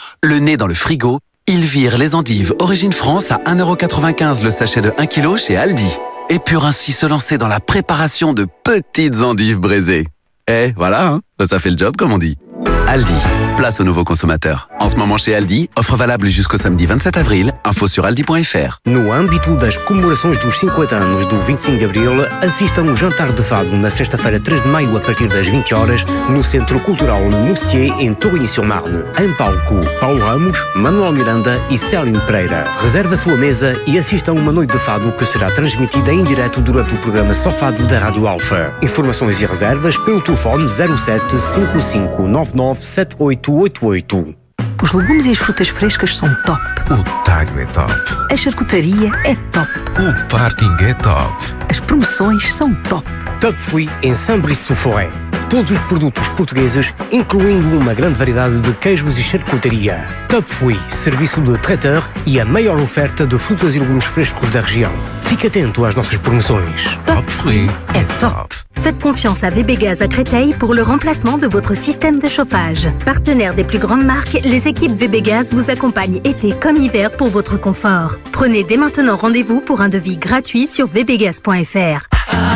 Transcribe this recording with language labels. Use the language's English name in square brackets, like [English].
[French] Le nez dans le frigo, ils virent les endives Origine France à 1,95€ le sachet de 1 kg chez Aldi et purent ainsi se lancer dans la préparation de petites endives braisées. Eh, voilà, hein, ça fait le job comme on dit. Aldi, place aux nouveaux consommateurs. En ce moment chez Aldi, offre valable jusqu'au samedi 27 avril. Info sur aldi.fr. [Portuguese] No âmbito das comemorações dos 50 anos do 25 de Abril, assistam ao Jantar de Fado na sexta-feira 3 de Maio a partir das 20 horas no Centro Cultural Moustier em Tourigny-sur-Marne. Em palco, Paulo Ramos, Manuel Miranda e Céline Pereira. Reserve a sua mesa e assistam uma noite de fado que será transmitida em direto durante o programa Só Fado da Rádio Alfa. Informações e reservas pelo telefone 07-5599-7888. Os legumes e as frutas frescas são top. O talho é top. A charcutaria é top. O parking é top. As promoções são top. Top Free em Saint-Brice-sur-Forêt. Todos os produtos portugueses, incluindo uma grande variedade de queijos e charcutaria. Top Free, serviço de traiteur e a maior oferta de frutas e legumes frescos da região. Fique atento às nossas promoções. Top Free é top. [French] Faites confiance à VB Gaz à Créteil pour le remplacement de votre système de chauffage. Partenaire des plus grandes marques, les équipes VB Gaz vous accompagnent été comme hiver pour votre confort. Prenez dès maintenant rendez-vous pour un devis gratuit sur vbgaz.fr.